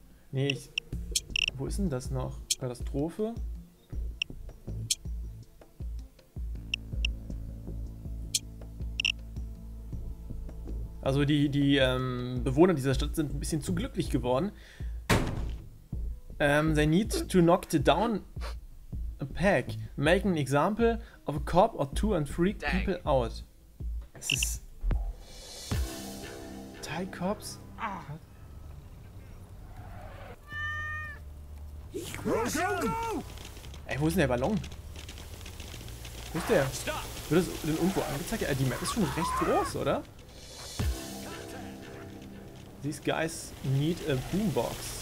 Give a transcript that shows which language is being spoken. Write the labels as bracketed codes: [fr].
[de] Nee, ich. Wo ist denn das noch? Katastrophe? Also, die Bewohner dieser Stadt sind ein bisschen zu glücklich geworden. [en] They need to knock down a pack. Make an example of a cop or two and freak people out. [de] Das ist. [en] Thai Cops? [de] Ey, wo ist denn der Ballon? Wo ist der? Wird das denn irgendwo angezeigt? Die Map ist schon recht groß, oder? [en] These guys need a boombox.